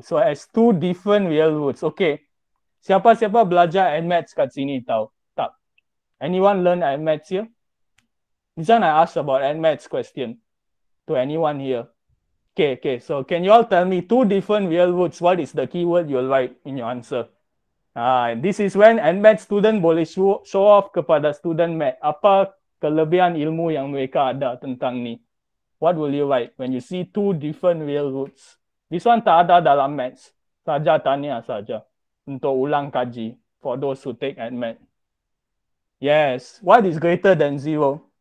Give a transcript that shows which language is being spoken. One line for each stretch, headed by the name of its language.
English: So as two different real roots. Okay.
Malay: Siapa-siapa belajar NMATS kat sini tau? Tak.
English: Anyone learn NMATS here? This one I asked about NMATS question to anyone here. Okay. So can you all tell me two different real roots? What is the keyword you'll write in your answer? This is when NMATS student
Malay: boleh
English: show off
Malay: kepada
English: student math.
Malay: Apa kelebihan ilmu yang mereka ada tentang ni?
English: What will you write when you see two different real roots? This one
Malay: tak ada dalam maths. Saja tanya saja. Untuk ulang kaji
English: for those who take admit. Yes. What is greater than zero?